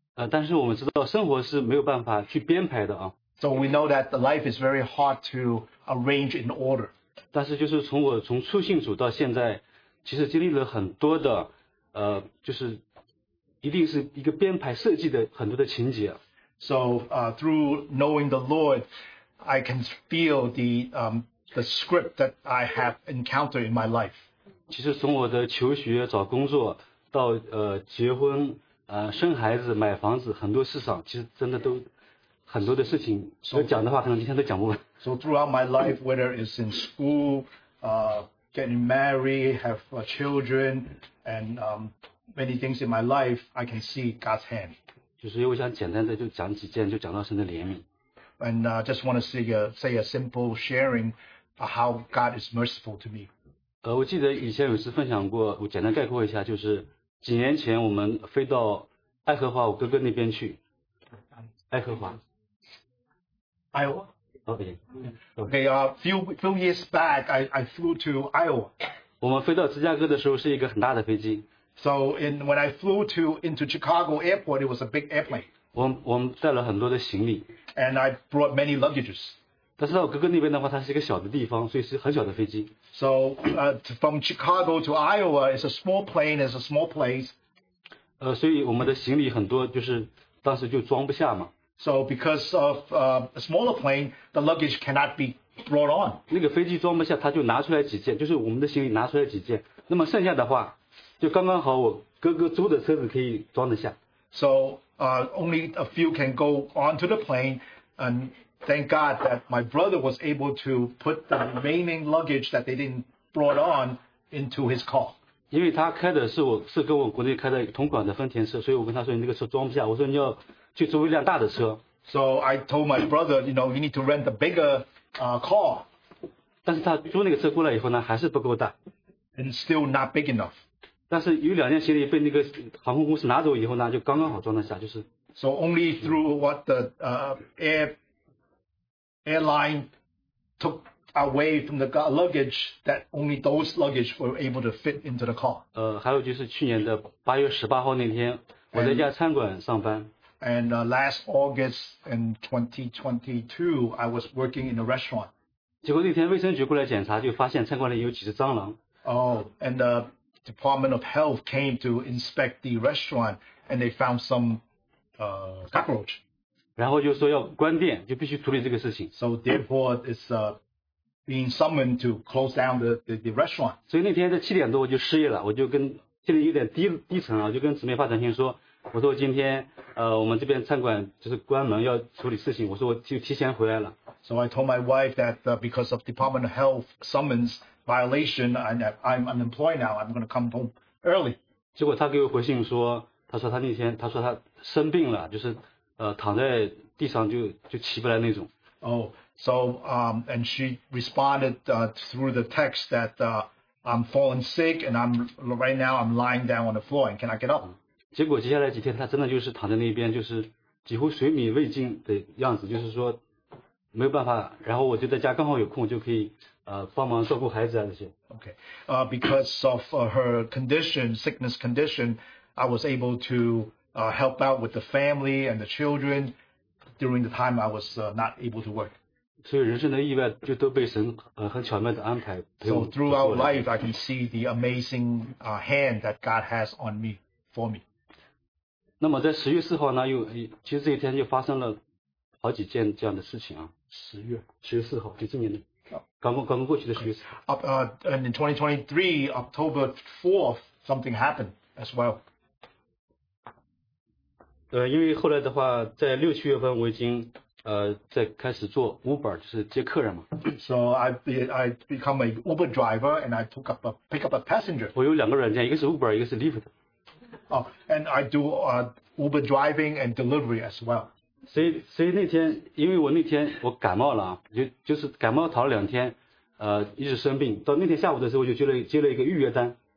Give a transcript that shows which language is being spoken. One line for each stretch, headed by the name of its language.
Chinese: 但是我们知道生活是没有办法去编排的啊。
English: So we know that the life is very hard to arrange in order.
Chinese: 但是就是从初信主到现在，其实经历了很多的，就是一定是一个编排设计的很多的情节。
English: So through knowing the Lord, I can feel the script that I have encountered in my life.
Chinese: 其实从我的求学、找工作到结婚。生孩子、买房子，很多市场其实真的都很多的事情，所以讲的话可能今天都讲不完。
English: So throughout my life, whether it's in school, getting married, have children, and many things in my life, I can see God's hand.
Chinese: 就是因为我想简单的就讲几件，就讲到神的怜悯。
English: And just want to say a simple sharing of how God is merciful to me.
Chinese: 我记得以前有次分享过，我简单概括一下，就是。几年前我们飞到爱荷华我哥哥那边去爱荷华
English: Iowa okay. Okay, few years back I flew to Iowa
Chinese: 我们飞到芝加哥的时候是一个很大的飞机
English: So when I flew into Chicago airport it was a big airplane
Chinese: 我们带了很多的行李
English: And I brought many luggages
Chinese: 但是到我哥哥那边的话它是一个小的地方所以是很小的飞机
English: So from Chicago to Iowa, it's a small place.
Chinese: 所以我们的行李很多，就是当时就装不下嘛。
English: So because of a smaller plane, the luggage cannot be brought on.
Chinese: 那个飞机装不下，他就拿出来几件，就是我们的行李拿出来几件。那么剩下的话，就刚刚好我哥哥租的车子可以装得下。
English: So only a few can go onto the plane and. Thank God that my brother was able to put the remaining luggage that they didn't brought on into his car.
Chinese: 因为他开的是我是跟我国内开的同款的丰田车，所以我跟他说你那个车装不下，我说你要去租一辆大的车。
English: So I told my brother, you know, you need to rent a bigger car.
Chinese: 但是他租那个车过来以后呢，还是不够大。
English: And still not big enough.
Chinese: 但是有两件行李被那个航空公司拿走以后呢，就刚刚好装得下，就是。
English: So only through what the airline took away from the luggage that only those luggage were able to fit into the car.
Chinese: 还有就是去年的八月十八号那天，我在一家餐馆上班。
English: And last August in 2022, I was working in a restaurant.
Chinese: 结果那天卫生局过来检查，就发现餐馆里有几只蟑螂。
English: And the Department of Health came to inspect the restaurant, and they found some cockroach.
Chinese: 然后就说要关店，就必须处理这个事情。
English: So therefore, it's being summoned to close down the restaurant.
Chinese: 所以那天在七点多我就失业了，我就跟心里有点低沉啊，就跟姊妹发短信说，我说今天我们这边餐馆就是关门要处理事情，我说我就提前回来了。
English: So I told my wife that because of Department of Health summons violation, I'm unemployed now. I'm going to come home early.
Chinese: 结果她给我回信说，她说她那天她说她生病了，就是。躺在地上就起不来那种。
English: And she responded through the text that I'm falling sick and I'm right now I'm lying down on the floor and cannot get up.
Chinese: 结果接下来几天她真的就是躺在那边就是几乎睡眠未尽的样子，就是说没有办法，然后我就在家刚好有空，就可以帮忙照顾孩子啊这些。
English: Okay, because of her condition, sickness condition, I was able to help out with the family and the children during the time I was not able to work.
Chinese: 所以人生的意外就都被神很巧妙的安排陪我。
English: So throughout life, I can see the amazing hand that God has on me for me.
Chinese: 那么在十月四号呢，又其实这一天就发生了。好几件这样的事情啊，十月四号，就今年的，刚刚过去的十月四号。
English: Up, and in 2023, October 4th, something happened as well.
Chinese: 因为后来的话，在六七月份我已经在开始做 Uber， 就是接客人嘛。
English: So I become an Uber driver and I took up a pick up a passenger.
Chinese: 我有两个软件，一个是 Uber， 一个是 Lyft。
English: And I do Uber driving and delivery as well.
Chinese: 所以那天，因为我那天我感冒了啊，就是感冒逃了两天，一直生病。到那天下午的时候，我就接了一个预约单。